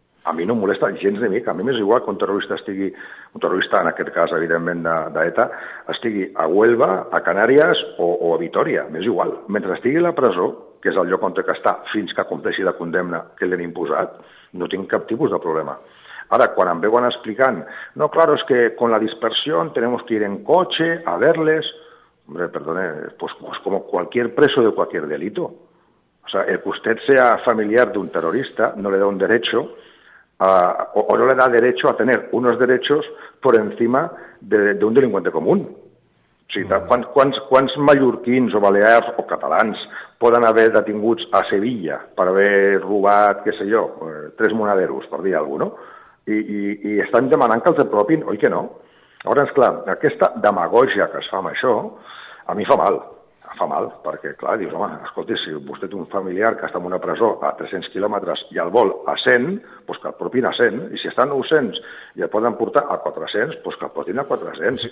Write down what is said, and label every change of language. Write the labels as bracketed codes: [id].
[ca] A mi no em molesta gens de mica. A mi m'és igual que un terrorista, en aquest cas, evidentment, d'ETA, estigui a Huelva, a Canàries o a Vitòria. M'és igual. Mentre estigui a la presó, que és el lloc on té que estar fins que compleixi la condemna que li han imposat, no tinc cap tipus de problema. Ara, quan em veuen explicant, [es] no, claro, es que con la dispersión tenemos que ir en coche a verles, hombre, perdone, pues como cualquier preso de cualquier delito. O sea, el que usted sea familiar de un terrorista no le da un derecho o no le da derecho a tener unos derechos por encima de un delincuente común. [ca] O sigui, quants mallorquins o balears o catalans poden haver detinguts a Sevilla per haver robat, què sé jo, tres monaderos, per dir alguna cosa, no? I estan demanant que els apropin, oi que no? Llavors, clar, aquesta demagògia que es fa amb això, a mi fa mal, perquè, clar, dius, home, escolti, si vostè té un familiar que està en una presó a 300 quilòmetres i el vol a 100, doncs que el propin a 100, i si està a 900 i el poden portar a 400, doncs que el portin a 400.